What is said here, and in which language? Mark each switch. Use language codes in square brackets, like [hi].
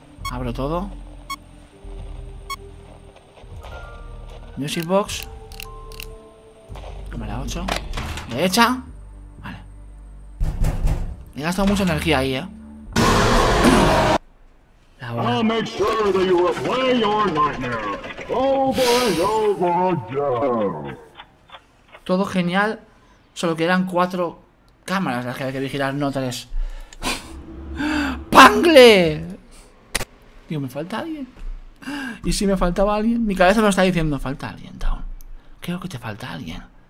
[es] Abro todo. Music box. Cámara 8. Derecha. Vale. He gastado mucha energía ahí, La hora. [en] I'll make sure that you replay your nightmare. Over and over again. [es] Todo genial. Solo que eran 4 cámaras las que había que vigilar, no 3. ¡Pangle! Tío, me falta alguien. Y si me faltaba alguien, mi cabeza me está diciendo, falta alguien, Town. Creo que te falta alguien.